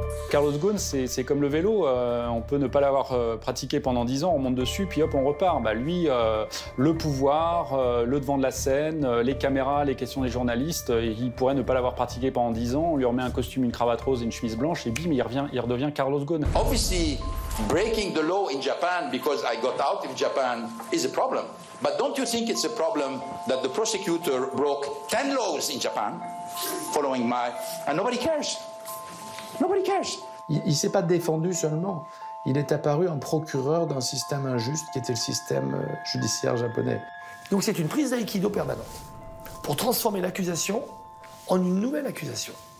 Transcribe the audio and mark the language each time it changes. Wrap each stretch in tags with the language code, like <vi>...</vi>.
<fr>Carlos Ghosn, c'est comme le vélo. On peut ne pas l'avoir pratiqué pendant 10 ans, on monte dessus, puis hop, on repart. Bah, lui, le pouvoir, le devant de la scène, les caméras, les questions des journalistes, il pourrait ne pas l'avoir pratiqué pendant 10 ans. On lui remet un costume, une cravate rose et une chemise blanche, et bim, il redevient Carlos Ghosn.</fr> <en>Obviously, breaking the law in Japan because I got out of Japan is a problem. But don't you think it's a problem that the prosecutor broke 10 laws in Japan following my and nobody cares. Nobody cares.</en> <fr>Il ne s'est pas défendu seulement. Il est apparu en procureur d'un système injuste qui était le système judiciaire japonais. Donc c'est une prise d'aïkido permanente pour transformer l'accusation en une nouvelle accusation.</fr>